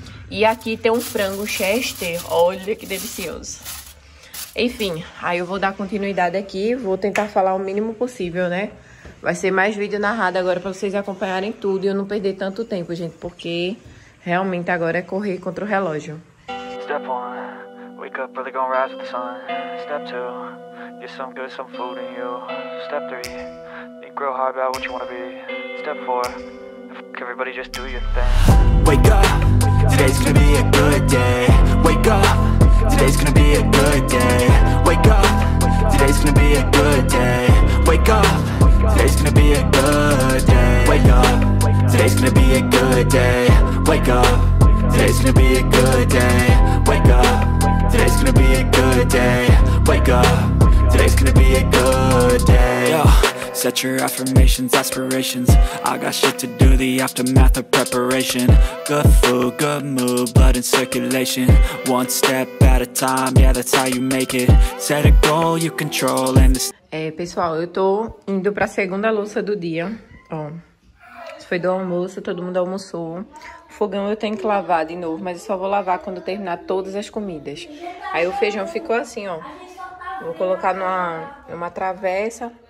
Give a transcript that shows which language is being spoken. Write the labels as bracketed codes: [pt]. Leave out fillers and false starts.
[pt] E aqui tem um frango Chester. Olha que delicioso. Enfim, aí eu vou dar continuidade aqui, vou tentar falar o mínimo possível, né? Vai ser mais vídeo narrado agora pra vocês acompanharem tudo e eu não perder tanto tempo, gente, porque realmente agora é correr contra o relógio. [en] Step one, wake up early, gonna rise with the sun. Step two, get some good, some food in you. Step three, think real hard about what you wanna be. Step four, fuck everybody, just do your thing. Wake up, today's gonna be a good day. Wake up. Today's gonna be a good day. Wake up. Today's gonna be a good day. Wake up. Today's gonna be a good day. Wake up. Today's gonna be a good day. Wake up. Today's gonna be a good day. Wake up. Today's gonna be a good day. Wake up. Today's gonna be a good day. Set your affirmations, aspirations. I got shit to do, the aftermath of preparation. Good food, good mood, blood in circulation. One step at a time, yeah, that's how you make it. Set a goal you control and this. [pt] Pessoal, eu tô indo pra segunda louça do dia. Ó, isso foi do almoço, todo mundo almoçou. Fogão eu tenho que lavar de novo, mas eu só vou lavar quando terminar todas as comidas. Aí o feijão ficou assim, ó. Vou colocar numa travessa.